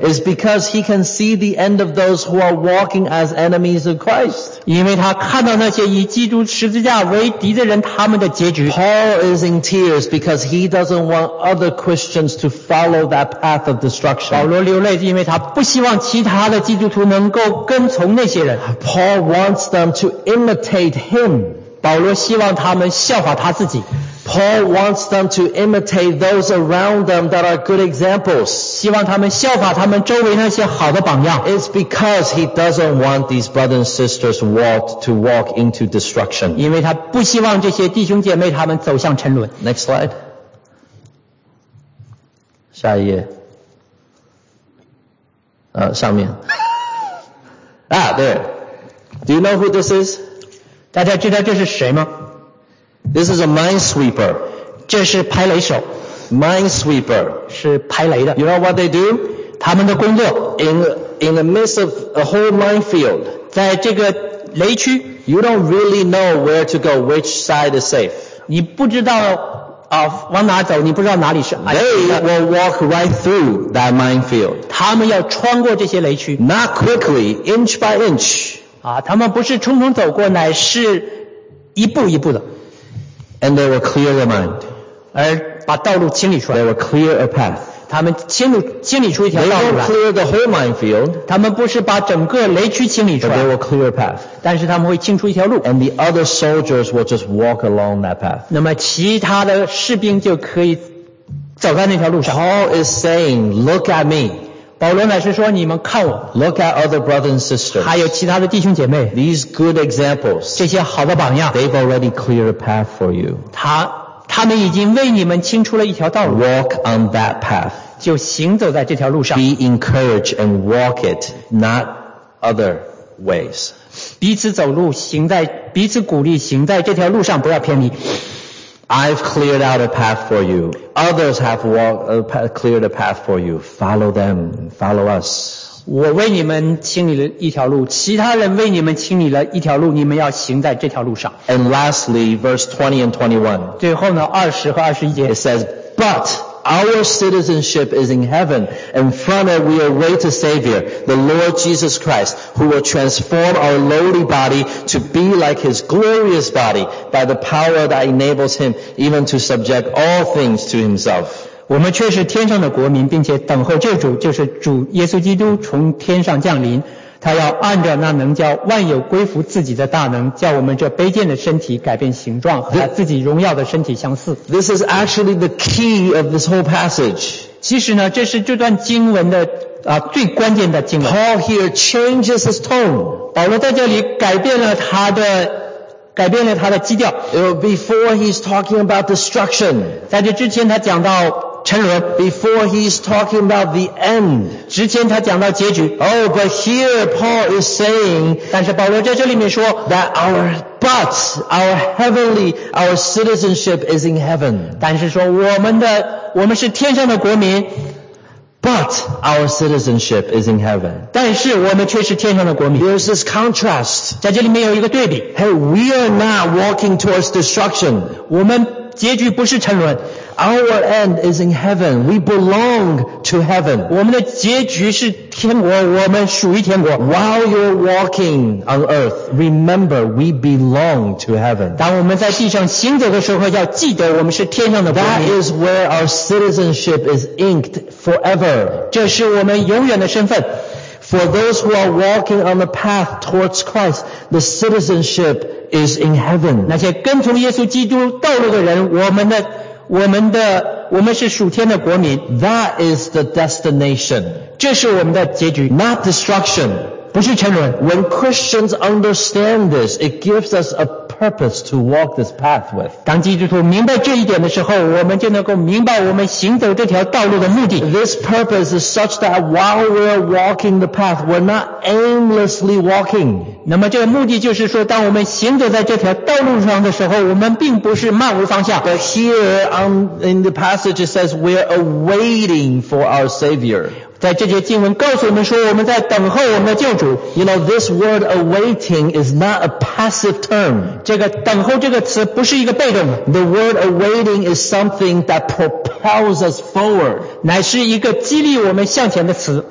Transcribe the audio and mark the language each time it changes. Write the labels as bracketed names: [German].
[English] is because he can see the end of those who are walking as enemies of Christ. [Chinese] 因为他看到那些以基督十字架为敌的人他们的结局。 [English] Paul is in tears because he doesn't want other Christians to follow that path of destruction. [Chinese] 保罗流泪是因为他不希望其他的基督徒能够跟从那些人。 [English] Paul wants them to imitate him. [Chinese] 保罗希望他们效法他自己。 [English] Paul wants them to imitate those around them that are good examples. [Chinese] 希望他们效法他们周围那些好的榜样。 [English] It's because he doesn't want these brothers and sisters to walk into destruction. [Chinese] 因为他不希望这些弟兄姐妹他们走向沉沦。 [English] Next slide. [Chinese] 下一页。上面。 [English] Ah, there. Do you know who this is? [Chinese] 大家知道这是谁吗？ [English] This is a minesweeper. [Chinese] 这是排雷手。 [English] Minesweeper. [Chinese] 是排雷的。 [English] You know what they do? [Chinese] 他们的工作。 [English] In the midst of a whole minefield. [Chinese] 在这个雷区。 [English] You don't really know where to go, which side is safe. [Chinese] 你不知道往哪走，你不知道哪里是。 [English] They will walk right through that minefield. [Chinese] 他们要穿过这些雷区。 [English] Not quickly, inch by inch. [Chinese] 他们不是匆匆走过，乃是一步一步的。 [English] And they will clear their mind. [Chinese] 而把道路清理出来。 [English] They will clear a path. [Chinese] 他们清理出一条道路来。 [English] They will clear the whole minefield. [Chinese] 他们不是把整个雷区清理出来。 [English] But they will clear a path. [Chinese] 但是他们会清出一条路。 [English] And the other soldiers will just walk along that path. [Chinese] 那么其他的士兵就可以走在那条路上。 [English] Paul is saying, look at me. [Chinese] 保罗乃是说你们看我。 [English] Look at other brothers and sisters. [Chinese] 还有其他的弟兄姐妹。 [English] These good examples. [Chinese] 这些好的榜样。 [English] They've already cleared a path for you. [Chinese] 他们已经为你们清出了一条道路。 [English] Walk on that path. [Chinese] 就行走在这条路上。 [English] Be encouraged and walk it, not other ways. [Chinese] 彼此走路行在彼此鼓励行在这条路上不要偏离。 [English] I've cleared out a path for you. Others have cleared a path for you. Follow them. Follow us. [Chinese] 我为你们清理了一条路，其他人为你们清理了一条路，你们要行在这条路上。 [English] And lastly, verse 20 and 21. [Chinese] 最后呢，二十和二十一节。 [English] It says, But our citizenship is in heaven, and from it we await a Savior, the Lord Jesus Christ, who will transform our lowly body to be like his glorious body by the power that enables him even to subject all things to himself. [Chinese] 我们却是天上的国民，并且等候救主，就是主耶稣基督从天上降临。他要按照那能叫万有归服自己的大能，叫我们这卑贱的身体改变形状，和他自己荣耀的身体相似。 [English] This is actually the key of this whole passage. [Chinese] 其实呢，这是这段经文的最关键的经文。 [English] Paul here changes his tone. [Chinese] 保罗在这里改变了他的基调。 [English] Before he's talking about destruction. [Chinese] 在这之前他讲到 [English] Before he's talking about the end. [Chinese] 之前他讲到结局。 [English] Oh, but here Paul is saying, [Chinese] 但是保罗在这里面说, [English] that our citizenship is in heaven. [Chinese] 但是说我们是天上的国民。 [English] But our citizenship is in heaven. [Chinese] 但是我们却是天上的国民。 [English] There's this contrast. [Chinese] 在这里面有一个对比。 [English] Hey, we are not walking towards destruction. [Chinese] 我们结局不是沉沦。 [English] Our end is in heaven. We belong to heaven. [Chinese] 我们的结局是天国，我们属于天国。 [English] While you're walking on earth, remember we belong to heaven. [Chinese] 当我们在地上行走的时候，要记得我们是天上的国民。 [English] That is where our citizenship is inked forever. [Chinese] 这是我们永远的身份。 [English] For those who are walking on the path towards Christ, the citizenship is in heaven. [Chinese] 那些跟从耶稣基督道路的人，我们是属天的国民。 [English] That is the destination. [Chinese] 这是我们的结局。 [English] Not destruction. [Chinese] 不是沉沦。 [English] When Christians understand this, it gives us a purpose to walk this path with. [Chinese] 当基督徒明白这一点的时候，我们就能够明白我们行走这条道路的目的。 [English] This purpose is such that while we're walking the path, we're not aimlessly walking. [Chinese] 那么这个目的就是说，当我们行走在这条道路上的时候，我们并不是漫无方向。 [English] But here in the passage it says we're awaiting for our Savior. [Chinese] 在这节经文告诉我们说我们在等候我们的救主 [English] You know, this word awaiting is not a passive term. [Chinese] 这个等候这个词不是一个被动。 [English] The word awaiting is something that propels us forward. [Chinese] 乃是一个激励我们向前的词。